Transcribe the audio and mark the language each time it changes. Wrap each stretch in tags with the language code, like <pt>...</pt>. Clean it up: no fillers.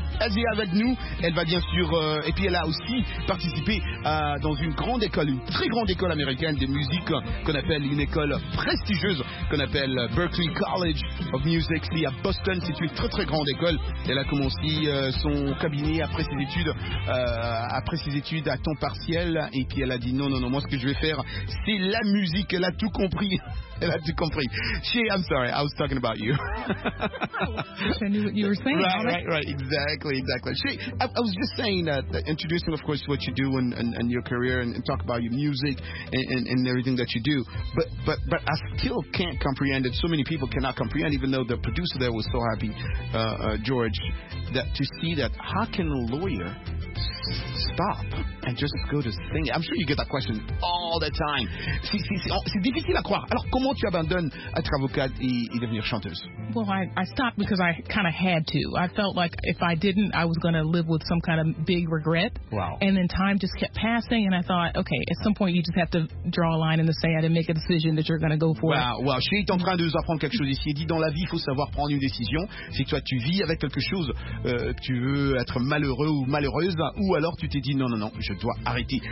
<fr>Elle est avec nous, elle va bien sûr, et puis elle a aussi participé dans une grande école, une très grande école américaine de musique qu'on appelle une école prestigieuse, qu'on appelle Berklee College of Music, à Boston, c'est une très très grande école. Elle a commencé son cabinet après ses études à temps partiel, et puis elle a dit non, moi ce que je vais faire c'est la musique. Elle a tout compris.</fr> <en>Shane, I'm sorry, I was talking about you. I knew what you were saying. Right, exactly. Shane, I was just saying that, introducing of course what you do and your career and talk about your music and everything that you do, but I still can't comprehend it. So many people cannot comprehend, even though the producer there was so happy, George, that to see that, how can a lawyer stop and just go to sing? I'm sure you get that question all the time.</en> <fr>C'est difficile à croire. Alors, comment tu abandonnes être avocate et devenir chanteuse?</fr> <en>Well, I stopped because I kind of had to. I felt like if I didn't, I was going to live with some kind of big regret. Wow. And then time just kept passing, and I thought, okay, at some point, you just have to draw a line in the sand and make a decision that you're going to go for. Wow.</en> <fr>Je suis en train de vous apprendre quelque chose ici. Il dit, dans la vie, il faut savoir prendre une décision. Si toi, tu vis avec quelque chose, tu veux être malheureux ou malheureuse, ou alors tu t'es dit, non, je dois arrêter.</fr>